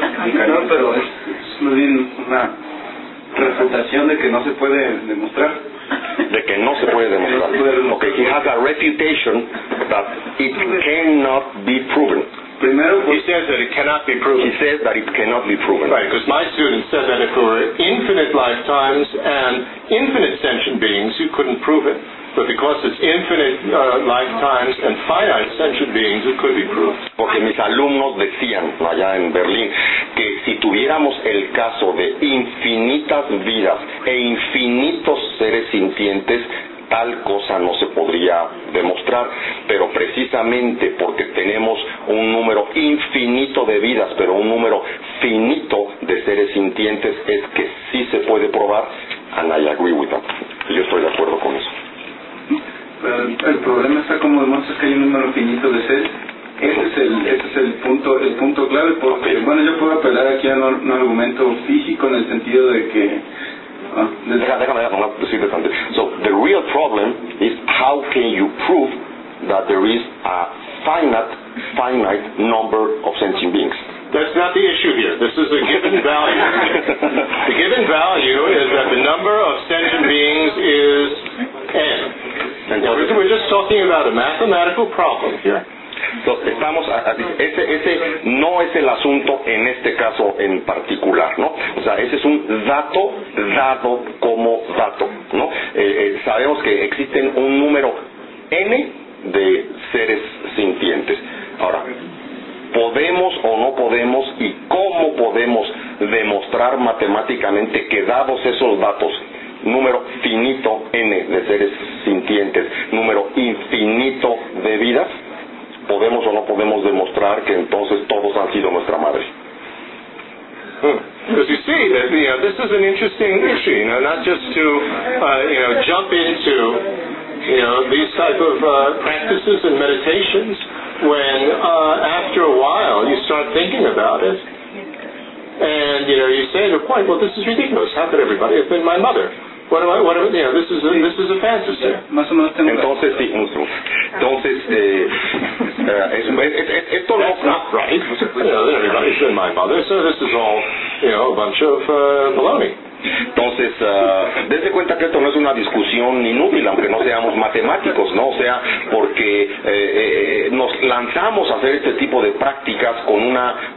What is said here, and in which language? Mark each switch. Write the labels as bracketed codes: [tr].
[es] No, pero es más bien una refutación de que no se puede demostrar. De que no se puede demostrar. [en] Okay, he has a reputation that it cannot be proven. [es] Primero, [en] he says that it cannot be proven. He says that it cannot be proven. Right, because my student said that if there were infinite lifetimes and infinite sentient beings, you couldn't prove it. But because it's infinite lifetimes and finite sentient beings, it could be proved. [es] Porque mis alumnos decían allá en Berlín que si tuviéramos el caso de infinitas vidas e infinitos seres sintientes, tal cosa no se podría demostrar, pero precisamente porque tenemos un número infinito de vidas, pero un número finito de seres sintientes, es que sí se puede probar, [en] and I agree with that. [es] Yo estoy de acuerdo con eso. El problema está como demuestras que hay un número finito de seres. Ese es el punto, el punto clave, porque, bueno, yo puedo apelar aquí a un argumento físico en el sentido de que [en] So the real problem is how can you prove that there is a finite number of sentient beings. That's not the issue here. This is a given value. The given value is that the number of sentient beings is n. And we're just talking about a mathematical problem here. [es] So, estamos así. Ese no es el asunto en este caso en particular, ¿no? O sea, ese es un dato dado como dato, ¿no? Sabemos que existen un número n de seres sintientes. Ahora, ¿podemos o no podemos y cómo podemos demostrar matemáticamente que dados esos datos, número finito n de seres sintientes, número infinito de vidas, podemos o no podemos demostrar que entonces todos han sido nuestra madre? [en] Because you see that, you know, this is an interesting issue, you know, not just to jump into, you know, these type of practices and meditations when after a while you start thinking about it and, you know, you say to the point, well, this is ridiculous. How could everybody have been my mother? [es] Entonces, dése cuenta que esto no es una discusión inútil, aunque no seamos matemáticos, ¿no? O sea, porque nos lanzamos a hacer este tipo de prácticas con una